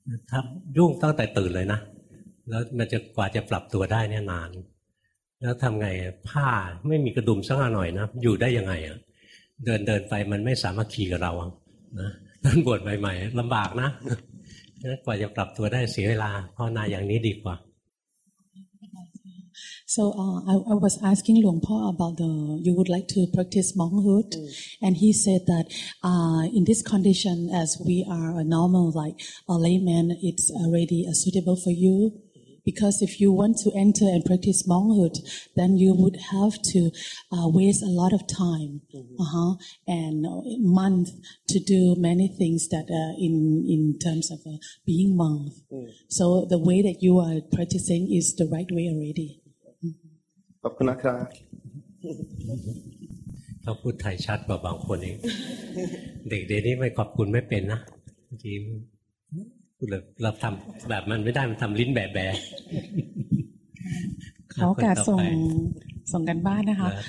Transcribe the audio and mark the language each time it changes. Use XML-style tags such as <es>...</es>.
<th>ถ้ายุ่งตั้งแต่ตื่นเลยนะแล้วมันจะกว่าจะปรับตัวได้เนี่ยนานแล้วทำไงผ้าไม่มีกระดุมสักหน่อยนะอยู่ได้ยังไงอ่ะเดินไปมันไม่สามารถขี่กับเรานะนั่นบวชใหม่ๆลำบากนะกว่าจะปรับตัวได้เสียเวลาภาวนาอย่างนี้ดีกว่า</th> <en>So I was asking Luangpo about the you would like to practice monkhood, and he said that in this condition, as we are a normal like a layman, it's already suitable for you. Because if you want to enter and practice monkhood, then you would have to waste a lot of time, and month to do many things that in terms of being monk. So the way that you are practicing is the right way already.</en> <th>ขอบคุณนะครับ ถ้าพูดไทยชัดกว่าบางคนเองเด็กเดี๋ยวนี้ไม่ขอบคุณไม่เป็นนะจริงพูดเลยเราทำแบบมันไม่ได้มันทำลิ้นแบบแบ บเขาการส่งกันบ้านนะคะ</th>